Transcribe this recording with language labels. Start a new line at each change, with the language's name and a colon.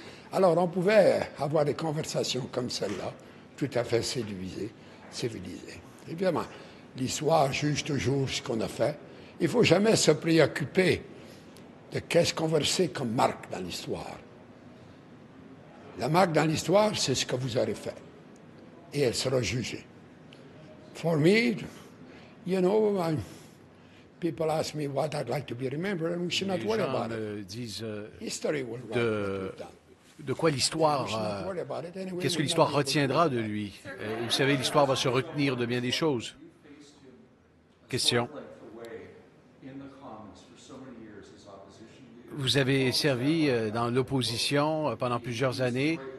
French: Alors, on pouvait avoir des conversations comme celle-là, tout à fait séduisées, civilisées. Évidemment, l'histoire juge toujours ce qu'on a fait. Il ne faut jamais se préoccuper de qu'est-ce qu'on versait comme marque dans l'histoire. La marque dans l'histoire, c'est ce que vous aurez fait. Et elle sera jugée.
English: For me, you know, people ask me what I'd like to be remembered, and we should not worry about it. History will write
French: de quoi l'histoire, qu'est-ce que l'histoire retiendra de lui? Vous savez, l'histoire va se retenir de bien des choses. Question. Vous avez servi dans l'opposition pendant plusieurs années.